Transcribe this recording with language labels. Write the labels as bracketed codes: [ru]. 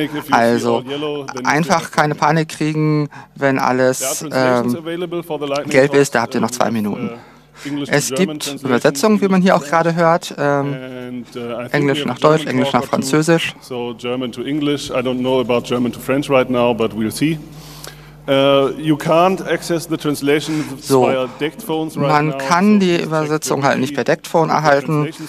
[de] Also einfach keine Panik kriegen, wenn alles gelb ist, da habt ihr noch 2 Minuten. Es gibt Übersetzungen, wie man hier auch gerade hört, Englisch nach Deutsch, Englisch nach Französisch. [en] So German to English. I don't know about German to French right now, but we'll see. You can't access the translation via DECT phones right now. [de] Man kann die Übersetzung halt nicht per DECT phone erhalten.